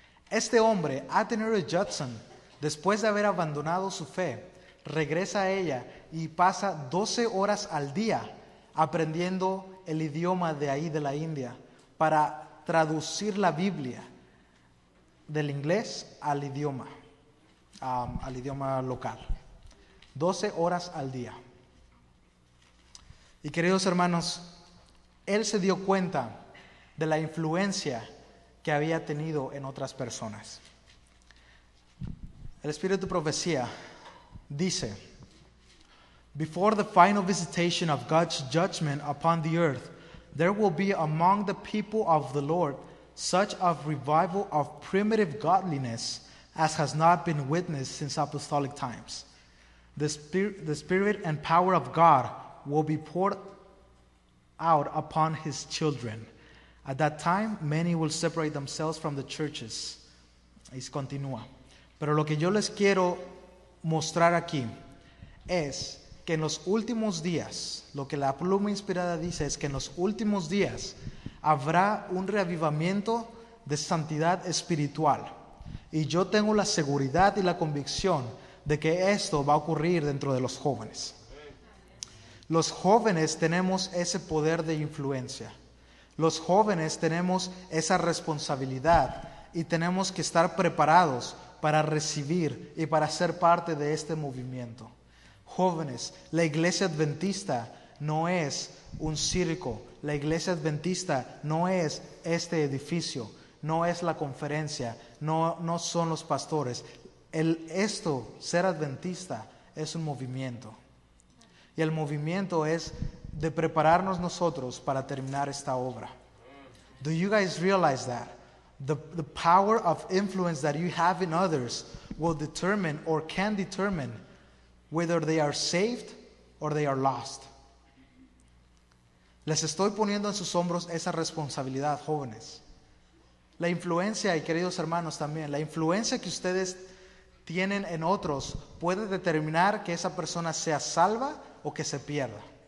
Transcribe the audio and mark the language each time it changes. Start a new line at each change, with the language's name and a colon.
Spanish: Este hombre, Atenor Judson, después de haber abandonado su fe, regresa a ella y pasa 12 horas al día aprendiendo el idioma de ahí, de la India, para traducir la Biblia del inglés al idioma local. 12 horas al día. Y queridos hermanos, él se dio cuenta de la influencia que había tenido en otras personas. El Espíritu de Profecía dice,
English: before the final visitation of God's judgment upon the earth, there will be among the people of the Lord such a revival of primitive godliness as has not been witnessed since apostolic times. The spirit and power of God will be poured out upon his children. At that time, many will separate themselves from the churches.
Spanish: Y continúa. Pero lo que yo les quiero mostrar aquí es que en los últimos días, lo que la pluma inspirada dice es que en los últimos días habrá un reavivamiento de santidad espiritual. Y yo tengo la seguridad y la convicción de que esto va a ocurrir dentro de los jóvenes. Los jóvenes tenemos ese poder de influencia. Los jóvenes tenemos esa responsabilidad y tenemos que estar preparados para recibir y para ser parte de este movimiento. Jóvenes, la iglesia adventista no es un circo. La iglesia adventista no es este edificio, no es la conferencia, no son los pastores. Esto, ser adventista, es un movimiento. Y el movimiento es de prepararnos nosotros para terminar esta obra.
English: Do you guys realize that? The power of influence that you have in others will determine or can determine whether they are saved or they are lost.
Spanish: Les estoy poniendo en sus hombros esa responsabilidad, jóvenes. La influencia, y queridos hermanos también, la influencia que ustedes tienen en otros puede determinar que esa persona sea salva o que se pierda.